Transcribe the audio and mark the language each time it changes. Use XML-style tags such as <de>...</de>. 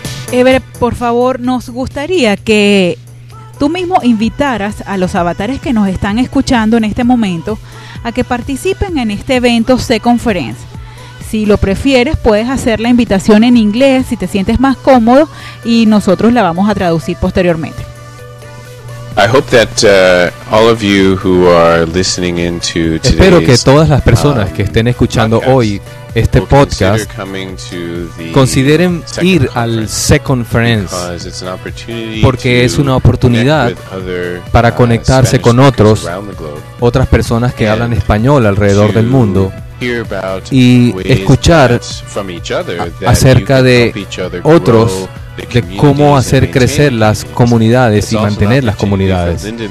<es>Ever, por favor, nos gustaría que tú mismo invitaras a los avatares que nos están escuchando en este momento a que participen en este evento C-Conference. Si lo prefieres, puedes hacer la invitación en inglés si te sientes más cómodo y nosotros la vamos a traducir posteriormente.</es> <en>I hope that all of you who are listening into today's,</en> <es>espero que todas las personas que estén escuchando podcast, hoy este podcast, consideren ir al Second Friends, porque es una oportunidad para conectarse con otros, otras personas que hablan español alrededor del mundo, y escuchar acerca de otros, de cómo hacer crecer las comunidades y mantener las comunidades.</es>